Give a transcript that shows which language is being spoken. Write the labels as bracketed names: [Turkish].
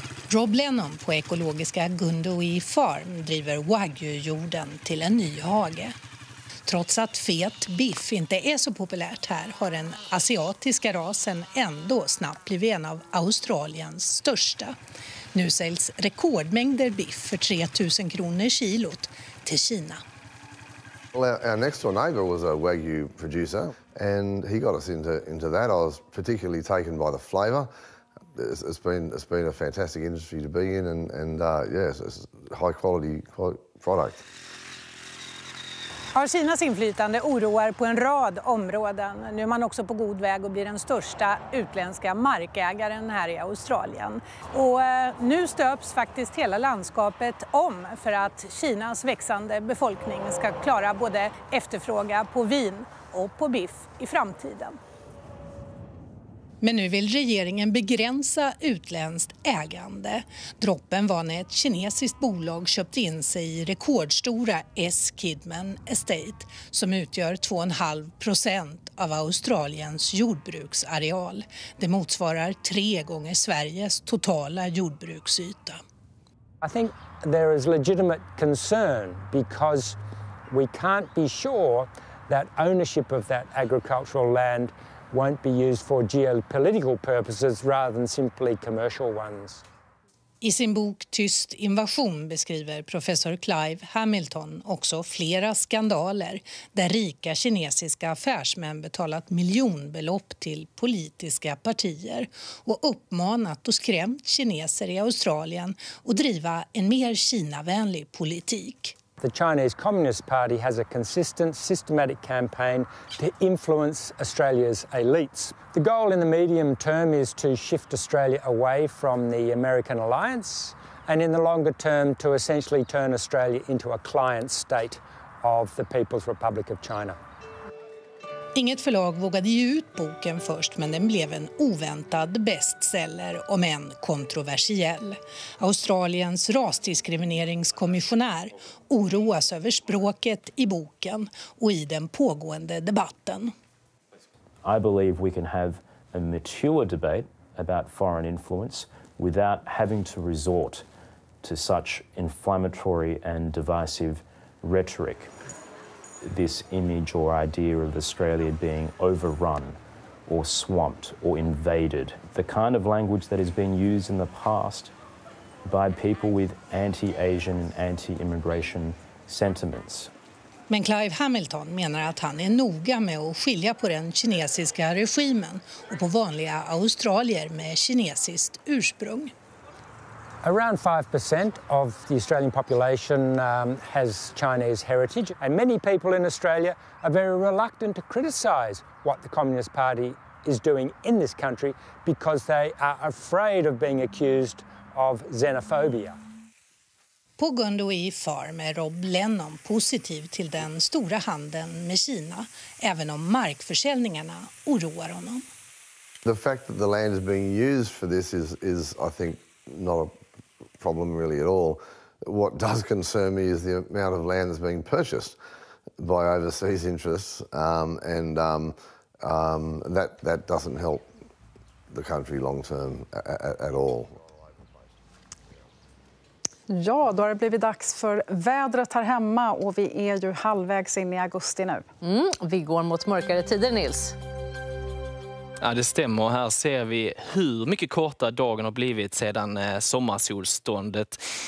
[Swedish] Rob Lennon på ekologiska Gundui Farm driver Wagyu-jorden till en ny hage. Trots att fet biff inte är så populärt här har den asiatiska rasen ändå snabbt blivit en av Australiens största. Nu säljs rekordmängder biff för 3000 kronor kilot till Kina. [English] Well, our next door neighbor was a Wagyu producer and he got us into that. I was particularly taken by the flavor. It's been a fantastic industry to be in and it's high quality product. [Swedish] Har Kinas inflytande oroar på en rad områden. Nu är man också på god väg att bli den största utländska markägaren här i Australien. Och nu stöps faktiskt hela landskapet om för att Kinas växande befolkning ska klara både efterfråga på vin och på biff i framtiden. Men nu vill regeringen begränsa utländskt ägande. Droppen var när ett kinesiskt bolag köpte in sig i rekordstora S. Kidman Estate som utgör 2,5% av Australiens jordbruksareal. Det motsvarar 3 gånger Sveriges totala jordbruksyta. [English] I think there is legitimate concern because we can't be sure that ownership of that agricultural land won't be used for geopolitical purposes rather than simply commercial ones. [Swedish] I sin bok Tyst invasion beskriver professor Clive Hamilton också flera skandaler där rika kinesiska affärsmän betalat miljonbelopp till politiska partier och uppmanat och skrämt kineser i Australien att driva en mer Kinavänlig politik. [English] The Chinese Communist Party has a consistent, systematic campaign to influence Australia's elites. The goal in the medium term is to shift Australia away from the American alliance and in the longer term to essentially turn Australia into a client state of the People's Republic of China. [Swedish] Inget förlag vågade ge ut boken först, men den blev en oväntad bestseller, om än kontroversiell. Australiens rasdiskrimineringskommissionär oroas över språket i boken och i den pågående debatten. [English] I believe we can have a mature debate about foreign influence without having to resort to such inflammatory and divisive rhetoric. This image or idea of Australia being overrun or swamped or invaded, the kind of language that has been used in the past by people with anti-Asian and anti-immigration sentiments. [Swedish] Men Clive Hamilton menar att han är noga med att skilja på den kinesiska regimen och på vanliga australier med kinesiskt ursprung. [English] Around 5% of the Australian population has Chinese heritage, and many people in Australia are very reluctant to criticise what the Communist Party is doing in this country because they are afraid of being accused of xenophobia. [Swedish] På Gundui Farm är Rob Lennon positiv till den stora handeln med Kina, även om markförsäljningarna oroar honom. [English] The fact that the land is being used for this is I think not a problem really at all. What does concern me is the amount of land that's being purchased by overseas interests, that doesn't help the country long term at all. [Swedish] Ja, då har det blivit dags för vädret här hemma och vi är ju halvvägs in i augusti nu. Vi går mot mörkare tider, Nils. Ja, det stämmer. Här ser vi hur mycket kortare dagen har blivit sedan sommarsolståndet.